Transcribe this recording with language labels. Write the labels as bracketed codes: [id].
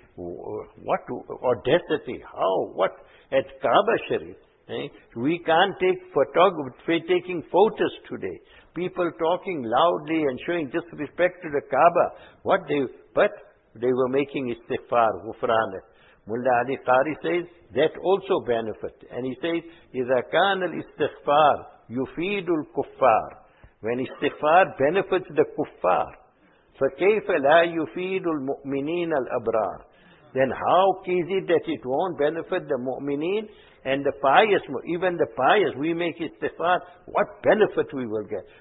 [en] What audacity? How? What? At Kaaba Sharif. We can't take taking photos today. People talking loudly and showing disrespect to the Kaaba. But they were making istighfar, ghufranak. Mulla Ali Qari says that also benefit. [ar] And he says, إِذَا كَانَ الْإِسْتِغْفَارِ يُفِيدُ الْكُفَّارِ. [en] When istighfar benefits the kuffar, [ar] فَكَيْفَ لَا يُفِيدُ الْمُؤْمِنِينَ الْأَبْرَارِ. [en] Then how is it that it won't benefit the mu'mineen and the pious? Even the pious, we make istighfar, what benefit we will get?